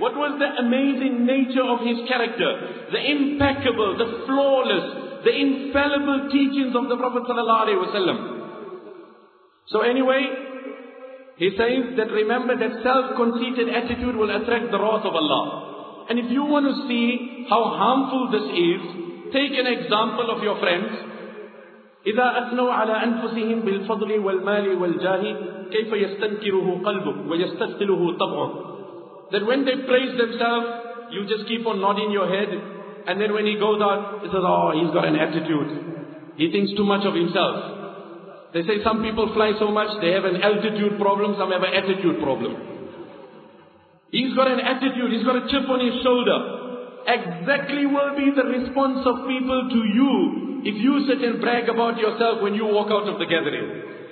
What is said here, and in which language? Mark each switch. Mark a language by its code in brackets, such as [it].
[en] What was the amazing nature of his character? The impeccable, the flawless, the infallible teachings of the Prophet sallallahu alaihi wasallam. So anyway, he says that remember that self-conceited attitude will attract the wrath of Allah. And if you want to see how harmful this is, take an example of your friends. [ar] إذا أثنوا على أنفسهم بالفضل والمال والجاه كيف يستنكره قلبه ويستثقله طبعه. [en] That when they praise themselves, you just keep on nodding your head, and then when he goes out, he says, oh, he's got an attitude. He thinks too much of himself. They say some people fly so much, they have an altitude problem, some have an attitude problem. He's got an attitude, he's got a chip on his shoulder. Exactly will be the response of people to you if you sit and brag about yourself when you walk out of the gathering.